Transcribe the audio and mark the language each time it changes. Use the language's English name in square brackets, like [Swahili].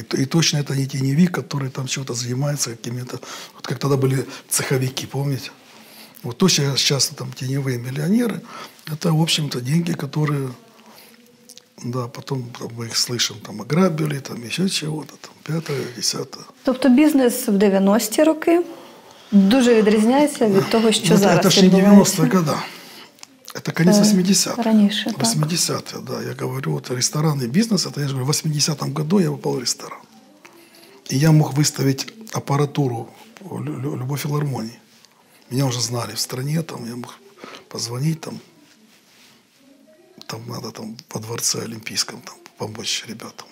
[Russian] И точно это не теневик, который там чего-то занимается какими-то. Вот как тогда были цеховики, помните? Вот точно сейчас там теневые миллионеры. Это, в общем-то, деньги, которые... Да, потом там, мы их слышим, там ограбили, там еще чего-то, там пятое, десятое. [Ukrainian] Тобто бизнес в 90-ті роки дуже відрізняється від того, що зараз відбувається. [Russian] Это ж не 90-е годы. Это конец 80-х. [Ukrainian] Раніше, так. [Russian] 80-е, да. Я говорю, вот ресторанный бизнес, это я же говорю, в 80-м году я попал в ресторан. И я мог выставить аппаратуру любой филармонии. Меня уже знали в стране, там я мог позвонить, там. Там надо там во дворце Олимпийском там помочь ребятам.